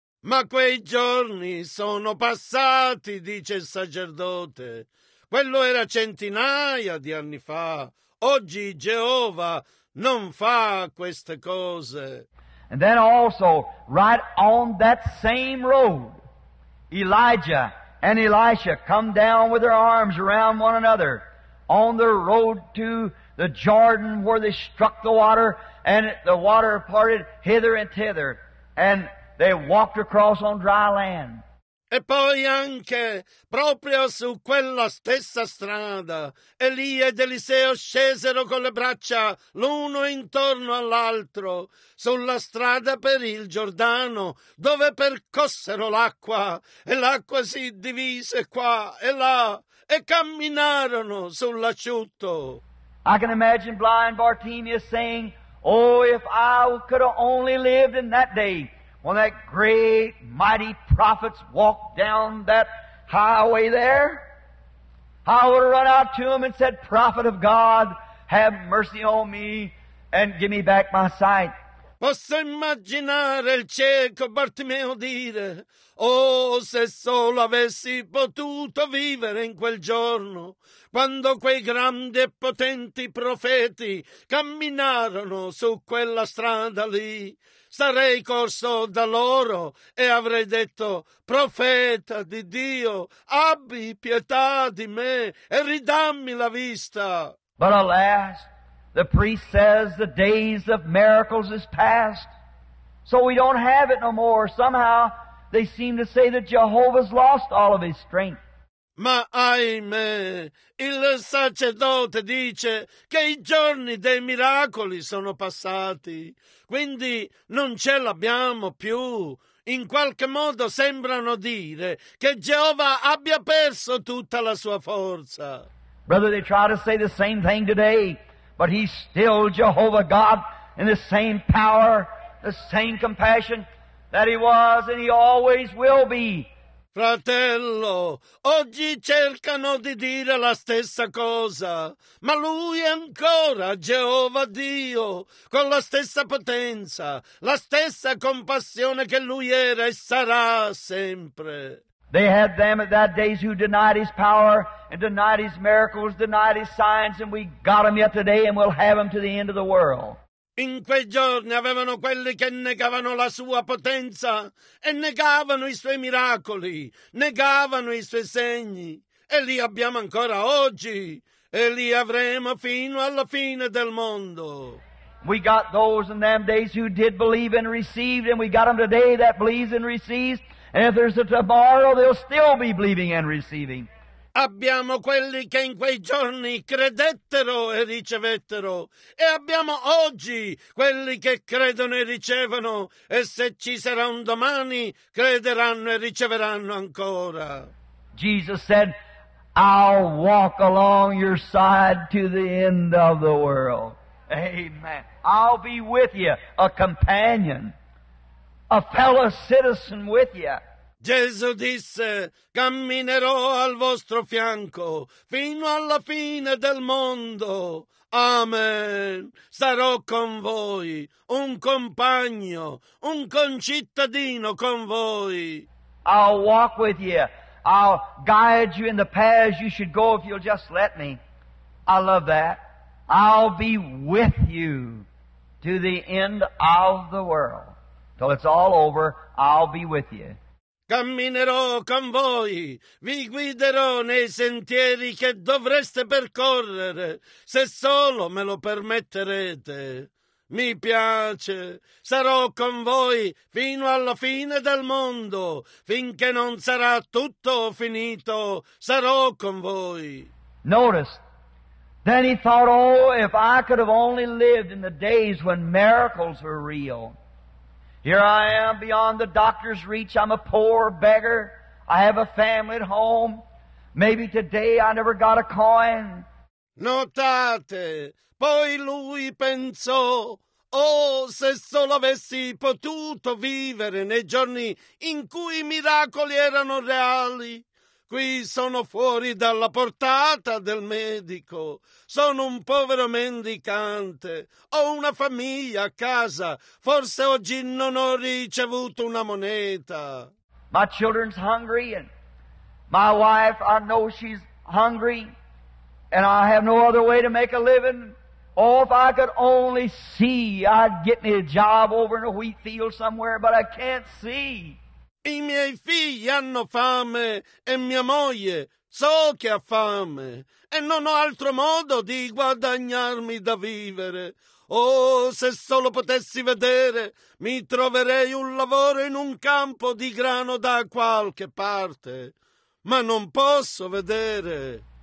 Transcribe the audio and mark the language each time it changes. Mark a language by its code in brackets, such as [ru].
[it] Ma quei giorni sono passati, dice il sacerdote. Quello era centinaia di anni fa. Oggi Geova non fa queste cose. [en] And then also, right on that same road, Elijah and Elisha come down with their arms around one another on the road to the Jordan where they struck the water and the water parted hither and thither and they walked across on dry land. [it] E poi anche proprio su quella stessa strada Elia ed Eliseo scesero con le braccia l'uno intorno all'altro sulla strada per il Giordano dove percossero l'acqua e l'acqua si divise qua e là e camminarono sull'asciutto. [en] I can imagine blind Bartimaeus saying, oh, if I could have only lived in that day. When that great, mighty prophets walked down that highway there, I would have run out to them and said, Prophet of God, Have mercy on me and give me back my sight. [it] Posso immaginare il cieco Bartimeo dire: oh, se solo avessi potuto vivere in quel giorno, quando quei grandi e potenti profeti camminarono su quella strada lì, sarei corso da loro e avrei detto: profeta di Dio, abbi pietà di me e ridammi la vista. [en] But alas, the priest says the days of miracles is past, so we don't have it no more. Somehow they seem to say that Jehovah's lost all of his strength. [it] Ma ahimè, il sacerdote dice che i giorni dei miracoli sono passati, quindi non ce l'abbiamo più. In qualche modo sembrano dire che Jehovah abbia perso tutta la sua forza. [en] Brother, they try to say the same thing today, but he's still Jehovah God in the same power, the same compassion that he was and he always will be. [it] Fratello, oggi cercano di dire la stessa cosa, ma lui è ancora Geova Dio, con la stessa potenza, la stessa compassione che lui era e sarà sempre. [en] They had them at that days who denied his power and denied his miracles, denied his signs, and we got them yet today and we'll have them to the end of the world. [it] In quei giorni avevano quelli che negavano la sua potenza e negavano i suoi miracoli, negavano i suoi segni, e li abbiamo ancora oggi, e li avremo fino alla fine del mondo. [en] We got those in them days who did believe and received, and we got them today that believes and receives, and if there's a tomorrow, they'll still be believing and receiving. [it] Abbiamo quelli che in quei giorni credettero e ricevettero, e abbiamo oggi quelli che credono e ricevono, e se ci sarà un domani, crederanno e riceveranno ancora. [en] Jesus said, I'll walk along your side to the end of the world. Amen. I'll be with you, a companion, a fellow citizen with you. [it] Gesù disse, camminerò al vostro fianco fino alla fine del mondo. Amen. Sarò con voi, un compagno, un concittadino con voi. [en] I'll walk with you. I'll guide you in the paths you should go if you'll just let me. I love that. I'll be with you to the end of the world. Till it's all over, I'll be with you. [it] Camminerò con voi, vi guiderò nei sentieri che dovreste percorrere, se solo me lo permetterete. Mi piace, sarò con voi fino alla fine del mondo, finché non sarà tutto finito, sarò con voi. [en] Notice, then he thought, oh, if I could have only lived in the days when miracles were real. Here I am beyond the doctor's reach. I'm a poor beggar. I have a family at home. Maybe today I never got a coin. [it] Notate, poi lui pensò, oh, se solo avessi potuto vivere nei giorni in cui i miracoli erano reali. Qui sono fuori dalla portata del medico. Sono un povero mendicante. Ho una famiglia a casa. Forse oggi non ho ricevuto una moneta. [en] My children's hungry and my wife, I know she's hungry and I have no other way to make a living. Oh, if I could only see, I'd get me a job over in a wheat field somewhere, but I can't see. [it] I miei figli hanno fame e mia moglie so che ha fame e non ho altro modo di guadagnarmi da vivere. Oh, se solo potessi vedere, mi troverei un lavoro in un campo di grano da qualche parte, ma non posso vedere.